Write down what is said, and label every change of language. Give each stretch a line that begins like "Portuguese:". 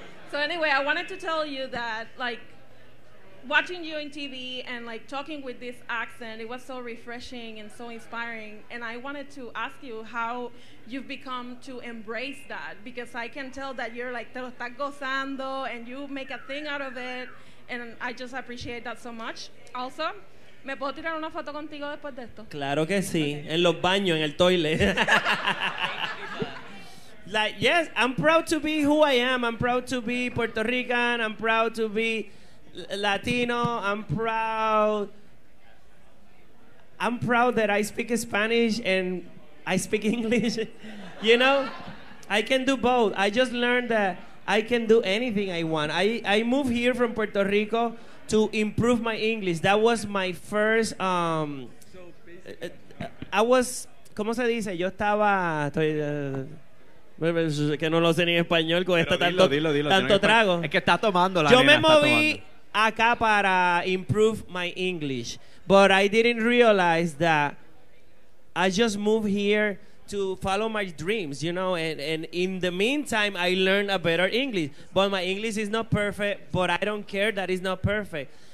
English: So anyway, I wanted to tell you that, like, watching you in TV and, like, talking with this accent, it was so refreshing and so inspiring. And I wanted to ask you how you've become to embrace that, because I can tell that you're, like, te lo estás gozando and you make a thing out of it. And I just appreciate that so much.
Spanish: Also, ¿me puedo tirar una foto contigo después de esto? Claro que sí. Okay. En los baños, en el toilet.
English: Like, yes, I'm proud to be who I am. I'm proud to be Puerto Rican. I'm proud to be Latino. I'm proud that I speak Spanish and I speak English. You know? I can do both. I just learned that I can do anything I want. I moved here from Puerto Rico to improve my English. That was my first, I was, ¿cómo se dice?
Spanish: Yo estaba, que no lo sé ni en español con esta tanto trago. Es que está tomando la
English: Yo me moví acá para improve my English, but I didn't realize that I just moved here to follow my dreams, you know, and in the meantime, I learned a better English. But my English is not perfect, but I don't care that it's not perfect.